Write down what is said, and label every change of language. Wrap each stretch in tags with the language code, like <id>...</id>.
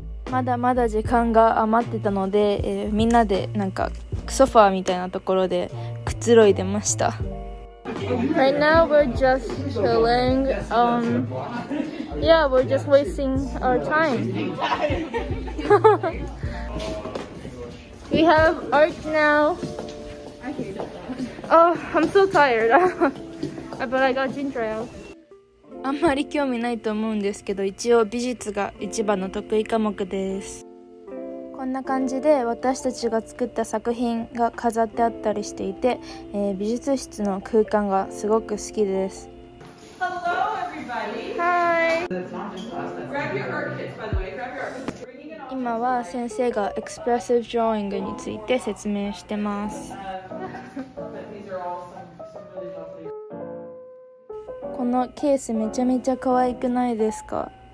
<ja>まだまだ時間が余ってたので、みんなでなんかソファーみたいなところでくつろいでました。</ja> <en>Right now we're just chilling. Yeah, we're just wasting our time. We have art now. I hate it. Oh, I'm so tired. But I got ginger ale.</en> <ja>あんまり興味ないと思うんですけど、一応美術が一番の得意科目です。こんな感じで私たちが作った作品が飾ってあったりしていて、美術室の空間がすごく好きです。</ja> <en>Hello everybody! Hi! Grab your art kits, by the way. Grab your art kits.</en> <ja>今は先生がエクスプレッシブドローイングについて説明してます。このケースめちゃめちゃ可愛くないですか？</ja>